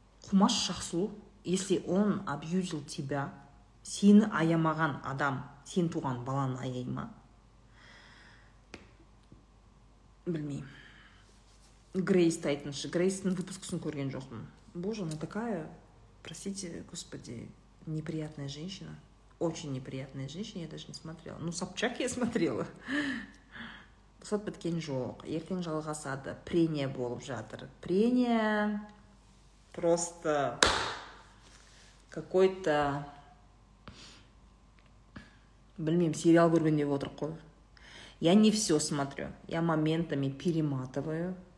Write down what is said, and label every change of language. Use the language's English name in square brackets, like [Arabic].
[Kazakh] Құмаш Шақсұлу, [Russian] если он абьюзил тебя, [Kazakh] сені аямаған адам, сен туған баланы аяй ма? Білмеймін. Грейс тайтыншы, Грейстің выпускысын көрген жоқпын. [Russian] Боже, ну такая... Простите, господи, неприятная женщина. Очень неприятная женщина, я даже не смотрела. Ну, Собчак я смотрела. [Kazakh] Сот біткен жоқ. Ертең жалғасады. Прения болып жатыр. Прения [Russian] просто какой-то... [Kazakh] Білмем, сериал көрген деп отырық қой. [Russian] Я не все смотрю. Я моментами перематываю.